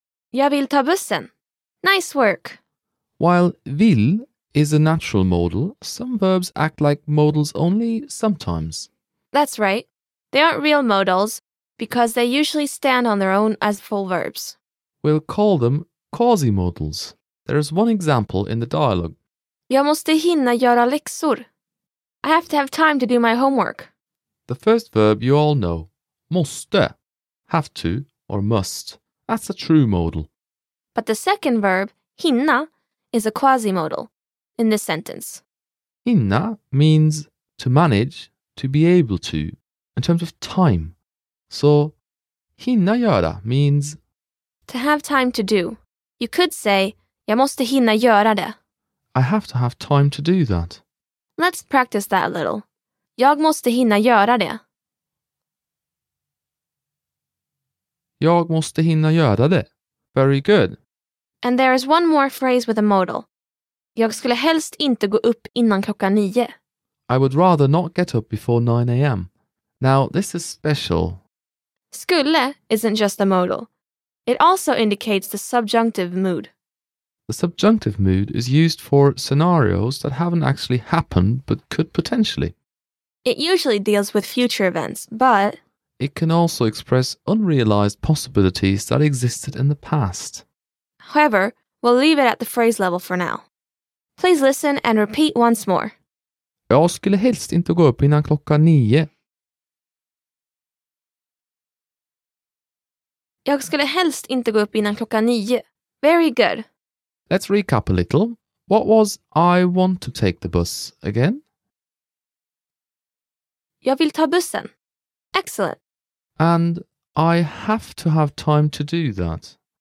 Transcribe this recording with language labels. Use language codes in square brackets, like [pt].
[sv] Jag vill ta bussen. [en] Nice work. While vill is a natural modal, some verbs act like modals only sometimes. That's right. They aren't real modals because they usually stand on their own as full verbs. We'll call them quasi-modals. There is one example in the dialogue. [sv] Jag måste hinna göra läxor. [en] I have to have time to do my homework. The first verb you all know, måste, have to or must. That's a true modal. But the second verb, hinna, is a quasi-modal in this sentence. Hinna means to manage, to be able to, in terms of time. So, hinna göra means to have time to do. You could say, [sv] jag måste hinna göra det. [en] I have to have time to do that. Let's practice that a little. [sv] Jag måste hinna göra det. Jag måste hinna göra det. [en] Very good. And there is one more phrase with a modal. [sv] Jag skulle helst inte gå upp innan klockan nio. [en] I would rather not get up before 9 a.m. Now, this is special. Skulle isn't just a modal. It also indicates the subjunctive mood. The subjunctive mood is used for scenarios that haven't actually happened but could potentially. It usually deals with future events, but... it can also express unrealized possibilities that existed in the past. However, we'll leave it at the phrase level for now. Please listen and repeat once more. [sv] Jag skulle helst inte gå upp innan klockan nio. Jag skulle helst inte gå upp innan klockan nio. [en] Very good. Let's recap a little. What was I want to take the bus again? [sv] Jag vill ta bussen. [en] Excellent. And I have to have time to do that.